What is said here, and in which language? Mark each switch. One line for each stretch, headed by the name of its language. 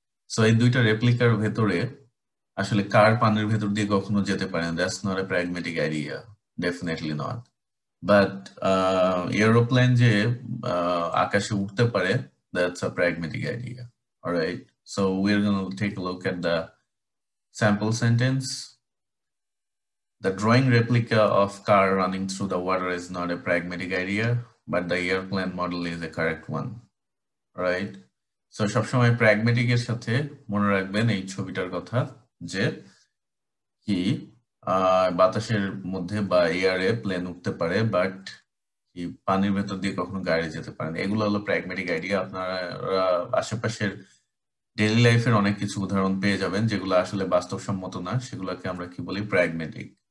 Bangla: So এই দুইটা রেপ্লিকার ভেতরে আসলে কার পানির ভেতর দিয়ে কখনো যেতে পারে না।
English: That's not a pragmatic idea, definitely not. But aeroplane
Bangla: যে আকাশে উঠতে পারে,
English: That's a pragmatic idea. Alright, so we are gonna take a look at the sample sentence. The drawing replica of car running through the water is not a pragmatic idea, but the airplane model is a correct one. Right?
Bangla: So সবসময় pragmatic এর সাথে মনে রাখবেন এই ছবিটার কথা, যে কি বাতাসের মধ্যে বা এয়ারে প্লেন উঠতে পারে, বাট কি পানির ভেতর দিয়ে কখনো গাড়ি যেতে পারে। এগুলো হলো pragmatic আইডিয়া। আপনারা আশেপাশের ডেইলি লাইফের অনেক কিছু উদাহরণ পেয়ে যাবেন যেগুলো আসলে বাস্তবসম্মত না, সেগুলোকে আমরা কি বলি প্র্যাগম্যাটিক।